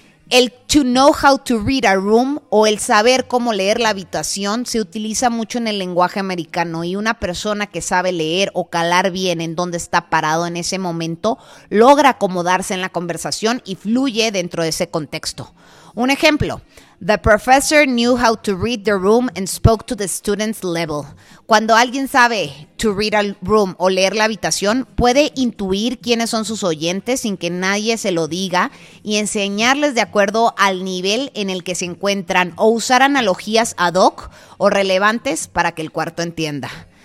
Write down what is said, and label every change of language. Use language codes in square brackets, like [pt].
[es] El [en] to know how to read a room [es] o el saber cómo leer la habitación se utiliza mucho en el lenguaje americano y una persona que sabe leer o calar bien en dónde está parado en ese momento logra acomodarse en la conversación y fluye dentro de ese contexto. Un ejemplo, [en] the professor knew how to read the room and spoke to the student's level. [es] Cuando alguien sabe [en] to read a room [es] o leer la habitación, puede intuir quiénes son sus oyentes sin que nadie se lo diga y enseñarles de acuerdo al nivel en el que se encuentran o usar analogías ad hoc o relevantes para que el cuarto entienda.